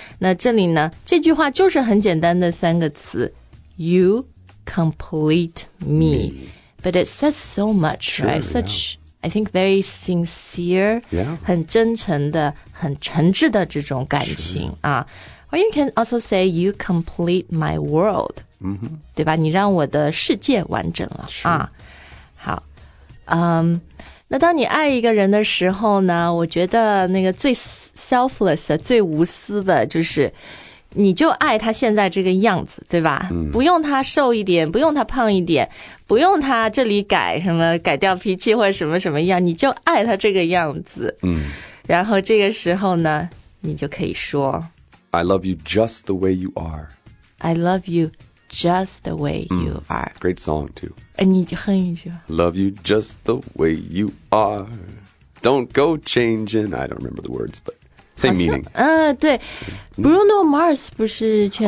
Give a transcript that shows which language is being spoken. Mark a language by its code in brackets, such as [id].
[zh] 那这里呢，这句话就是很简单的三个词 ，you。 [en] Complete me. me, but it says so much, sure, right? Such,、 yeah. I think, very sincere, yeah, [zh] 很真诚的、很诚挚的这种感情、 [en] sure. 啊。 Or you can also say you complete my world. 嗯哼， [zh] 对吧？你让我的世界完整了是啊。好，嗯、那当你爱一个人的时候呢？我觉得那个最 selfless 的、最无私的，就是你就爱他现在这个样子，对吧？嗯。不用他瘦一点，不用他胖一点，不用他这里改什么，改掉脾气或者什么什么样，你就爱他这个样子。嗯。然后这个时候呢，你就可以说。 [en] I love you just the way you are. I love you just the way you are. Great song too. [zh] 你就哼一句吧。 [en] Love you just the way you are. Don't go changing. I don't remember the words, but same meaning. [zh] 对。Bruno Mars 不是全